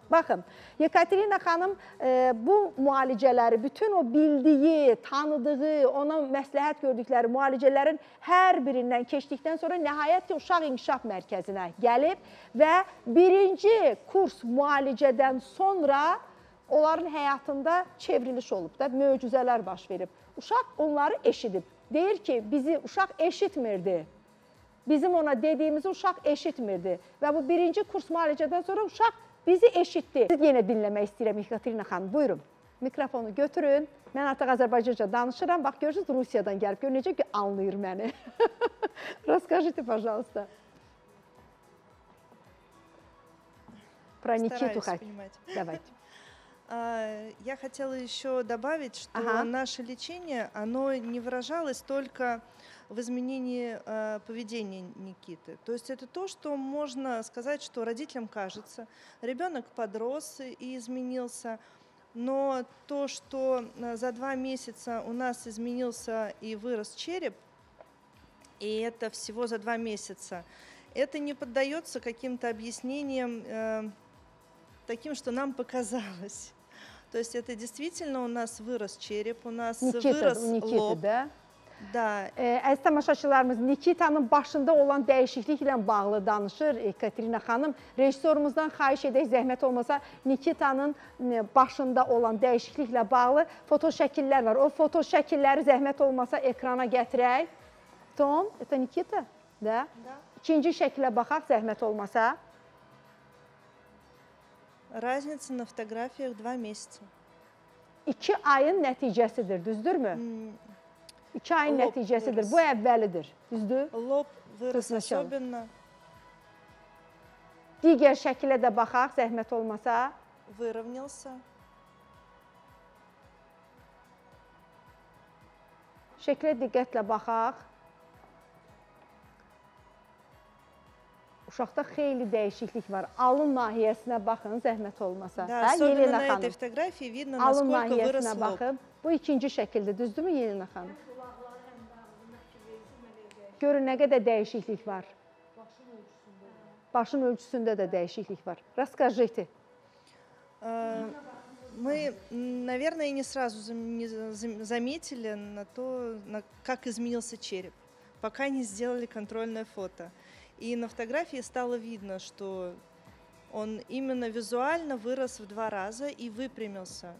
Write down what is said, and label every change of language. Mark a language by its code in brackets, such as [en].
[az] Baxın, Yekaterina xanım bu müalicələri, bütün o bildiyi, tanıdığı, ona məsləhət gördükləri müalicələrin hər birindən keçdikdən sonra nəhayət ki, uşaq inkişaf mərkəzinə gəlib və birinci kurs müalicədən sonra onların həyatında çevriliş olub da, möcüzələr baş verib. Uşaq onları eşidib. Deyir ki, bizi uşaq eşitmirdi. Bizim ona dediyimizi uşaq eşitmirdi və bu birinci kurs müalicədən sonra uşaq bizi eşitdi. Siz yenə dinləmək istəyirəm, Yekaterina xanım, buyurun, mikrofonu götürün. Mən artıq Azərbaycanca danışıram, bax görürsünüz, Rusiyadan gəlib, görün necə ki, anlayır məni. [ru] Расскажите, пожалуйста. Про Никиту хоть. Давайте. Я хотела еще добавить, что наше лечение, оно не выражалось только в изменении поведения Никиты. То есть это то, что можно сказать, что родителям кажется. Ребенок подрос и изменился, но то, что за 2 месяца у нас изменился и вырос череп, и это всего за 2 месяца, это не поддается каким-то объяснениям, таким, что нам показалось. То есть это действительно у нас вырос череп, у нас вырос лоб. Никита, да? Да. [az] Əziz tamaşaçılarımız, Никитаның başında olan dəyişikliklə bağlı danışır Yekaterina xanım. Rejissorumuzdan xahiş edək, zəhmət olmasa, Никитаның başında olan dəyişikliklə bağlı foto şəkillər var. O foto şəkilləri zəhmət olmasa ekrana gətirək. [ru] Tom, это Никита, да? Да. [az] İkinci şəkilə baxaq, zəhmət olmasa. [ru] Разница на фотографиях 2 месяца. [az] 2 ayın nəticəsidir, düzdürmü? 2 ayın nəticəsidir, bu əvvəlidir, düzdür? [ru] Lob vırız, особенно. [az] Digər şəkilə də baxaq, zəhmət olmasa. [ru] Выровнялся. [az] Şəkilə diqqətlə baxaq. Uşaqda xeyli dəyişiklik var. Alın mahiyyəsinə baxın, zəhmət olmasa. [ru] Да, [az] Yelena xanım. [ru] Видно, насколько вырос лоб. [az] Alın mahiyyəsinə baxın. Bu ikinci şəkildə, düzdürmü Yelena xanım? Görün, nə qədər dəyişiklik var. Başın ölçüsündə də dəyişiklik var. [ru] Расскажите. Мы, наверное, не сразу заметили на то, как изменился череп, пока не сделали контрольное фото. И на фотографии стало видно, что он именно визуально вырос в 2 раза и выпрямился.